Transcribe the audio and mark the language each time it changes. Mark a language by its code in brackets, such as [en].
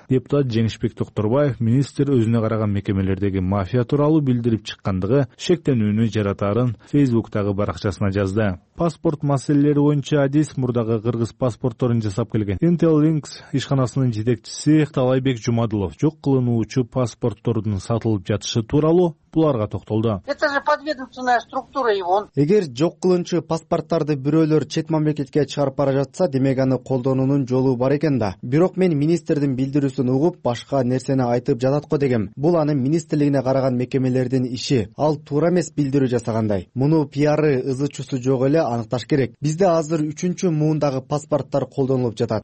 [ky] Депутат Жеңишбек Токторбаев министр өзүнө караган мекемелердеги мафия тууралуу билдирип чыккандыгы шектенүүнү жаратарын Facebook-тагы баракчасына жазды. Паспорт маселелери боюнча Адис мурдагы кыргыз паспортторун жасап келген Intel Links ишканасынын жетекчиси Талайбек Жумадылов жок кылынуучу паспортторун сатылып жатышы тууралуу буларга токтолду. [ru] Это же подведомственная структура его. [ky] Эгер жок кылынчу паспорттарды бирөөлөр чет мамлекетке чыгарып бара жатса, демек аны колдонуунун жолу бар экен да. Бирок мен министрдин билдирүүсүн угуп, башка нерсени айтып жатат го дегем. Бул анын министрлигине караган мекемелердин иши. Ал туура эмес билдирүү жасагандай. Муну пиары, ызычуусу жок эле аныкташ керек. Бизде азыр 3-чү муундагы паспорттор колдонулуп жатат.